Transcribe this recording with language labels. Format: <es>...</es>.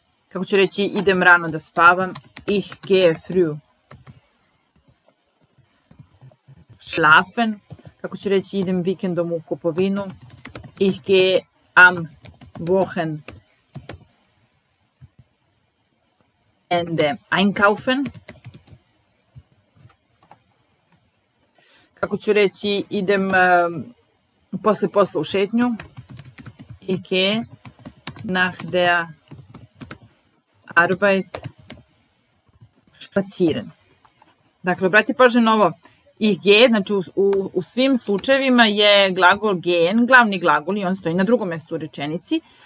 <hr>Kako ću reći, idem rano da spavam.</hr> <de>Ich gehe früh schlafen.</de> <hr>Kako ću reći, idem vikendom u kupovinu.</hr> <de>Ich gehe am Wochenende einkaufen.</de> <hr>Kako ću reći, idem posle posla u šetnju.</hr> <de>Ich gehe nach der Arbeit spazieren.</de> <hr>Dakle, obrati pažnje na ovo. Ich gehe, znači u svim slučajevima je glagol gehen, glavni glagol, i on stoji na drugom mjestu u rečenici.</hr>